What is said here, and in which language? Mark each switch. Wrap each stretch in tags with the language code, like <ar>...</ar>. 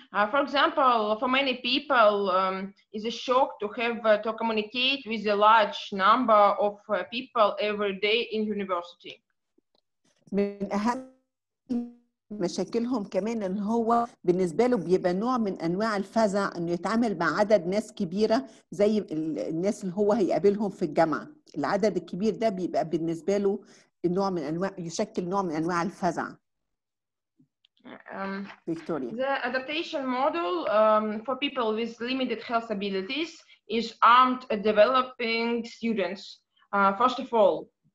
<en>For example, for many people, it's a shock to have to communicate with a large number of people every day in university.</en> <ar>من أهم مشاكلهم كمان إن هو بالنسبة له بيبقى نوع من أنواع الفزع إنه يتعامل مع عدد ناس كبيرة زي الناس اللي هو هيقابلهم في الجامعة. العدد الكبير ده بيبقى بالنسبة له نوع من أنواع يشكل نوع من أنواع الفزع.</ar> <en>Victoria. The adaptation model for people with limited health abilities is aimed at developing students. First of all,</en>